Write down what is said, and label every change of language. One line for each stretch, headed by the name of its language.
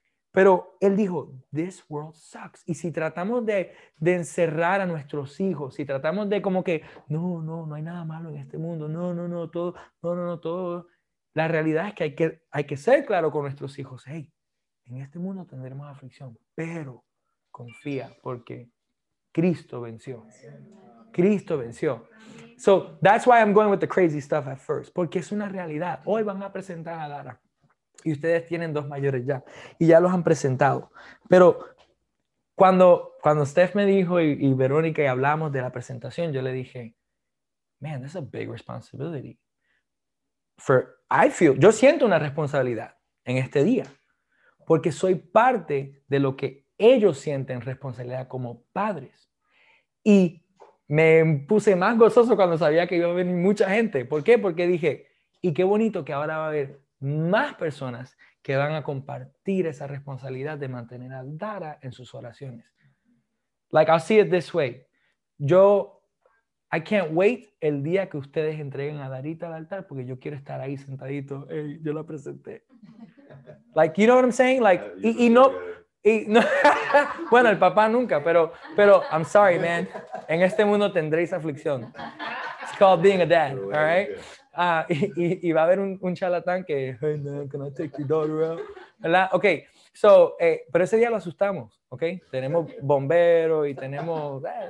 Spanish: Pero él dijo,
English: this world sucks.
Spanish: Y si tratamos de encerrar a nuestros hijos, si tratamos de como que, no, no, no hay nada malo en este mundo, no, no, no, todo, no, no, no, todo. La realidad es que hay que ser claro con nuestros hijos, hey, en este mundo tendremos aflicción, pero confía, porque Cristo venció. Cristo venció.
English: So that's why I'm going with the crazy stuff at first,
Spanish: porque es una realidad. Hoy van a presentar a Lara y ustedes tienen dos mayores ya y ya los han presentado. Pero cuando Steph me dijo y Verónica y hablamos de la presentación, yo le dije,
English: man, that's a big responsibility. For I feel,
Spanish: yo siento una responsabilidad en este día, porque soy parte de lo que ellos sienten responsabilidad como padres. Y me puse más gozoso cuando sabía que iba a venir mucha gente. ¿Por qué? Porque dije, y qué bonito que ahora va a haber más personas que van a compartir esa responsabilidad de mantener a Dara en sus oraciones.
English: Like, I'll see it this way.
Spanish: Yo,
English: I can't wait
Spanish: el día que ustedes entreguen a Darita al altar, porque yo quiero estar ahí sentadito. Hey, yo la presenté.
English: Like, you know what I'm saying?
Spanish: Like, y no. Y no, bueno, el papá nunca, pero
English: I'm sorry, man.
Spanish: En este mundo tendréis aflicción.
English: It's called being a dad, all right?
Spanish: Y va a haber un charlatán que,
English: hey man, can I take your daughter out?
Spanish: ¿Verdad? Ok, so, pero ese día lo asustamos, ¿ok? Tenemos bomberos y tenemos.